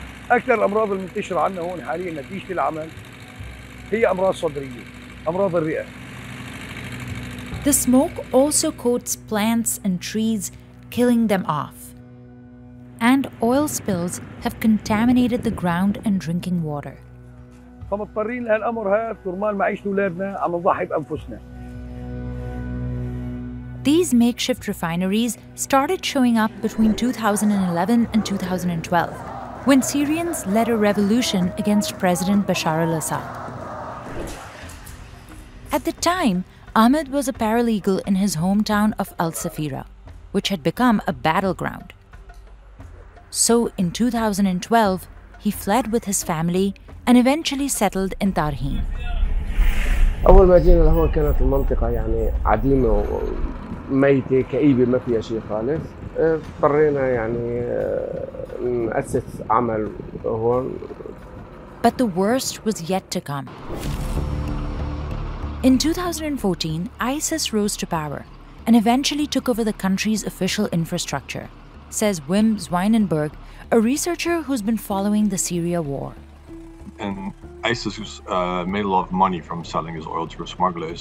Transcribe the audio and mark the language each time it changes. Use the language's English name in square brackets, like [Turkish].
[Arabic] أكثر الأمراض المنتشرة عنا هون حالياً نتيجة العمل هي أمراض صدرية، أمراض الرئة. [English] The smoke also coats plants and trees, killing them off. And oil spills have contaminated the ground and drinking water. [Arabic] فمضطرين لهالأمر هذا ترمال معيشة أولادنا عم نضحي بأنفسنا. [English] These makeshift refineries started showing up between 2011 and 2012. When Syrians led a revolution against President Bashar al-Assad. At the time, Ahmed was a paralegal in his hometown of Al-Safira, which had become a battleground. So in 2012, he fled with his family and eventually settled in Tarhim. [Arabic] أول ما جينا لهون كانت المنطقة يعني عديمة وميتة كئيبة ما فيها شيء خالص اضطرينا يعني نأسس عمل هون. [English] But the worst was yet to come. In 2014, ISIS rose to power and eventually took over the country's official infrastructure, says Wim Zwijnenberg, a researcher who's been following the Syria war. And ISIS made a lot of money from selling his oil to smugglers.